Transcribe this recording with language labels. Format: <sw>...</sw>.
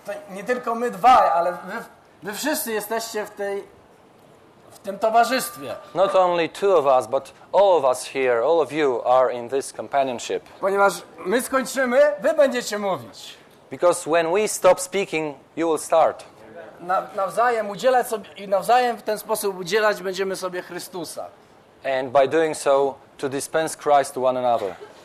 <pl>Nie tylko my dwaj, ale wy wszyscy jesteście w tym towarzystwie.</pl> <en>Not only two of us, but all of us here, all of you are in this companionship.</en> <pl>Ponieważ my skończymy, wy będziecie mówić.</pl> <en>Because when we stop speaking, you will start.</en> <pl>Nawzajem udzielać sobie i nawzajem w ten sposób udzielać będziemy sobie Chrystusa.</pl> <en>And by doing so, to dispense Christ to one another.</en>